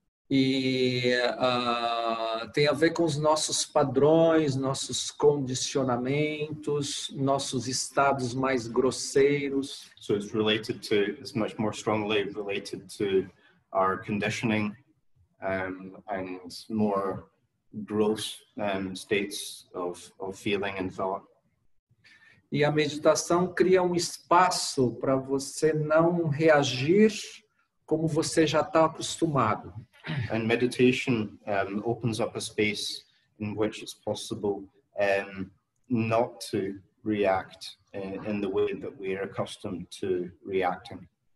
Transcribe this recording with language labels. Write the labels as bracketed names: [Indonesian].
[Portuguese] E tem a ver com os nossos padrões, nossos condicionamentos, nossos estados mais grosseiros. [English] So, it's related to, it's much more strongly related to our conditioning. And more gross states of feeling and thought. [Portuguese] E a meditação cria espaço para você não reagir como você já está acostumado. [English] And meditation opens up a space in which it's possible not to react in the way that we are accustomed to reacting.